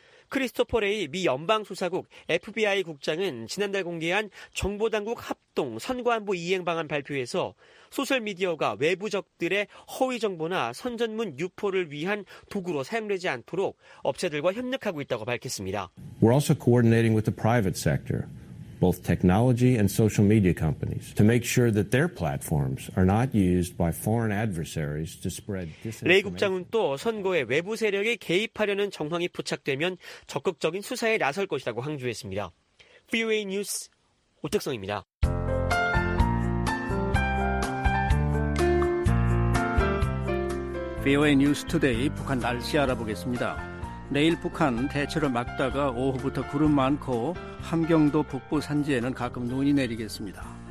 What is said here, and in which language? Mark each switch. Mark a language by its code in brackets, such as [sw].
[ko] 크리스토퍼 레이 미 연방수사국 FBI 국장은 지난달 공개한 정보당국 합동 선거안보 이행방안 발표에서 소셜미디어가 외부적들의 허위정보나 선전문 유포를 위한 도구로 사용되지 않도록 업체들과 협력하고 있다고 밝혔습니다. [en] We're also coordinating with the private sector, both technology and social media companies, to make sure that their platforms are not used by foreign adversaries to spread disinformation. [ko] 레이 국장은 또 선거에 외부 세력이 개입하려는 정황이 포착되면 적극적인 수사에 나설 것이라고 강조했습니다. VOA 뉴스 오택성입니다. 비오에이 뉴스 투데이 북한 날씨 알아보겠습니다. 내일 북한 대체로 맑다가 오후부터 구름 많고 함경도 북부 산지에는 가끔 눈이 내리겠습니다.